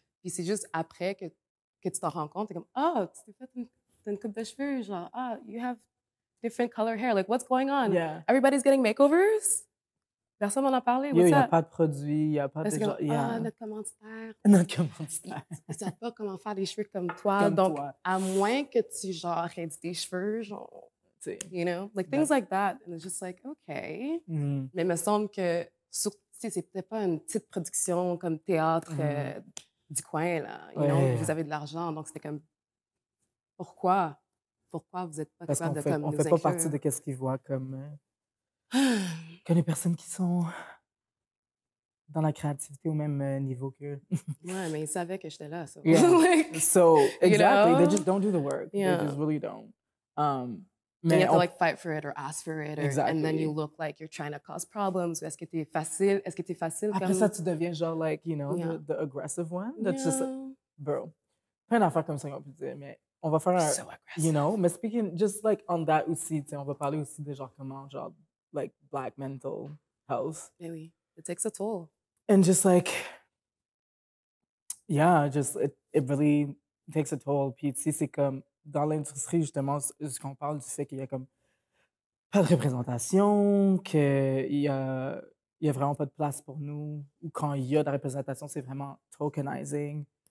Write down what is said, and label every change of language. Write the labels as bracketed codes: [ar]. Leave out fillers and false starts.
[fr] Puis c'est juste après que tu t'en rends compte, t'es comme, oh, tu t'es fait une coupe de cheveux, genre, ah, [en] oh, you have different color hair, like, what's going on? Yeah. Everybody's getting makeovers? [fr] Personne m'en a parlé, [en] what's up? [fr] Il n'y a pas de produits, il n'y a pas parce de genre, ah, notre commanditaire. Ils ne savent pas comment faire des cheveux comme toi. Comme toi. À moins que tu, genre, aies des cheveux, genre... [en] You know, like things like that, and it's just like okay. Mm-hmm. [fr] Mais me semble que c'est peut-être pas une petite production comme théâtre du coin là. Vous avez de l'argent, donc c'était comme pourquoi vous êtes pas capable de comme on fait inclure. Pas partie de qu'est-ce qu'ils voient comme que les personnes qui sont dans la créativité au même niveau que. Ouais, mais ils savaient que j'étais là. So, [en] like, so exactly, you know? They just don't do the work. Yeah. They just really don't. Mais you have to like fight for it or ask for it, or, exactly. And then you look like you're trying to cause problems. [fr] Est-ce que t'es facile? Est-ce que t'es facile? Après ça, tu deviens genre [en] like you know the aggressive one. That's just bro. [fr] Plein d'affaires comme ça qu'on peut dire, mais on va faire you know. Mais speaking just like on that aussi, tu sais, on va parler aussi de genre comment genre [en] like Black mental health. Really, it takes a toll. And just like it really takes a toll. [fr] Puis c'est comme dans l'industrie, justement, ce qu'on parle du fait qu'il n'y a comme pas de représentation, qu'il n'y a vraiment pas de place pour nous, ou quand il y a de la représentation, c'est vraiment tokenizing.